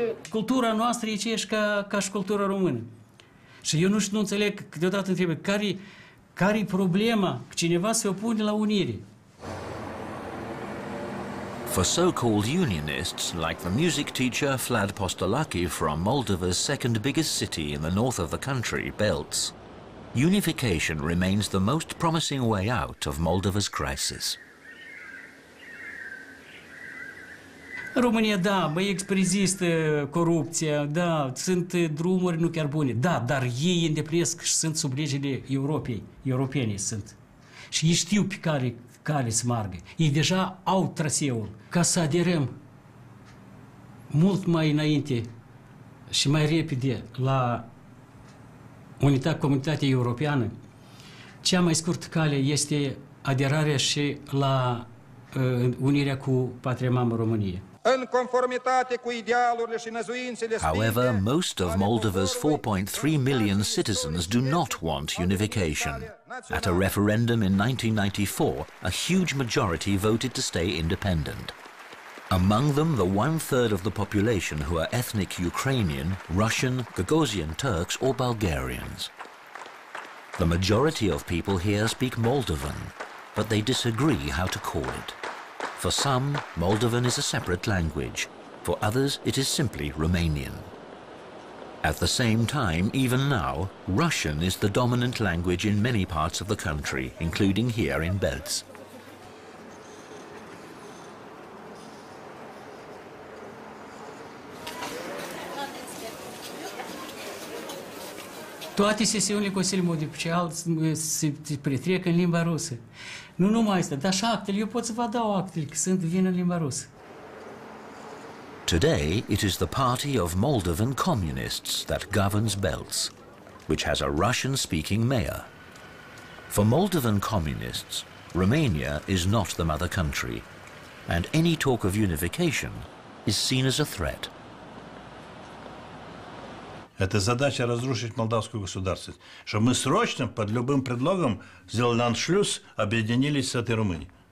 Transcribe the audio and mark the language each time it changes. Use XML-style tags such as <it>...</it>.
<ro>Cultura noastră e aceeași ca și cultura română. Și eu nu înțeleg, câteodată întreb, care-i problema că cineva se opune la unire?</ro> <en>For so-called unionists, like the music teacher Vlad Postolaki from Moldova's second biggest city in the north of the country, Belts, unification remains the most promising way out of Moldova's crisis.</en> <ro>România, da, băi, există corupția, da, sunt drumuri nu chiar bune, da, dar ei îndeplinesc și sunt sub legile Europei, europenii sunt. Și ei știu pe care cale să margă. Ei deja au traseul. Ca să aderăm mult mai înainte și mai repede la comunitatea europeană, cea mai scurtă cale este aderarea și la unirea cu patria mamă România. În conformitate cu idealurile și năzuințele.</ro> <en>However, most of Moldova's 4.3 million citizens do not want unification. At a referendum in 1994, a huge majority voted to stay independent. Among them, the one-third of the population who are ethnic Ukrainian, Russian, Gagauzian Turks or Bulgarians. The majority of people here speak Moldovan, but they disagree how to call it. For some, Moldovan is a separate language. For others, it is simply Romanian. At the same time, even now, Russian is the dominant language in many parts of the country, including here in Belts.</en> <ro>Toate sesiunile Consiliului Municipal se petrec în limba rusă. Nu numai asta, dar și actele, eu pot să vă dau actele, că sunt vin în limba rusă.</ro> <en>Today, it is the party of Moldovan communists that governs Belts, which has a Russian-speaking mayor. For Moldovan communists, Romania is not the mother country, and any talk of unification is seen as a threat.</en> <ru>Это задача разрушить молдавскую государственность. Чтобы мы срочно, под любым предлогом, сделали аншлюз, объединились с этой Румынией.</ru>